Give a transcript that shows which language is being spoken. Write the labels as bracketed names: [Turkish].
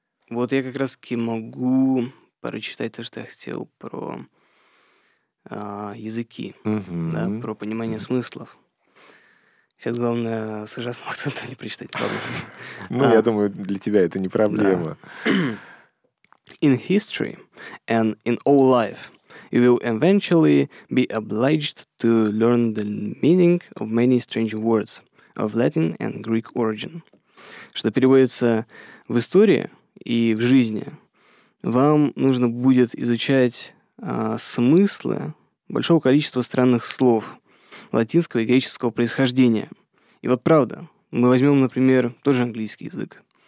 [Russian] Вот я как раз-таки могу прочитать то, что я хотел про языки, да, про понимание смыслов. Сейчас главное с ужасным акцентом не прочитать. Ну, я думаю, для тебя это не проблема. [English] In history and in all life, you will eventually be obliged to learn the meaning of many strange words of Latin and Greek origin. [Russian] Что переводится в истории и в жизни. Вам нужно будет изучать смыслы большого количества странных слов латинского и греческого происхождения. И вот правда, мы возьмем, например, тоже английский язык.